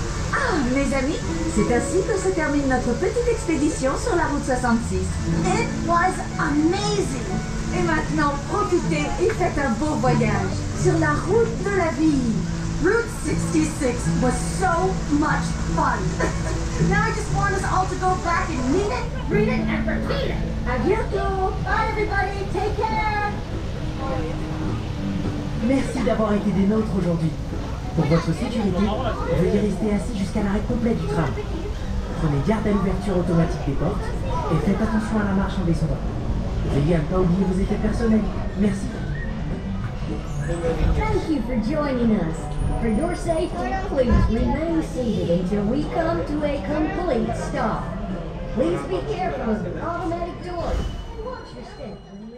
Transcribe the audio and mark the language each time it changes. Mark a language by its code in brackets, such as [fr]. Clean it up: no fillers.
[fr] Ah, mes amis, c'est ainsi que se termine notre petite expédition sur la route 66. [en] It was amazing. [fr] Et maintenant, profitez et faites un beau voyage sur la route de la vie. [en] Route 66 was so much fun. Now I just want us all to go back and mean it, read it, and repeat it. [fr] A bientôt. [en] Bye, everybody. Take care. [fr] Merci d'avoir été des nôtres aujourd'hui. Pour votre sécurité, veuillez rester assis jusqu'à l'arrêt complet du train. Prenez garde à l'ouverture automatique des portes et faites attention à la marche en descendant. Veuillez à ne pas oublier vos effets personnels. Merci. [en] Thank you for joining us. For your safety, please remain seated until we come to a complete stop. Please be careful of the automatic doors. Watch your step.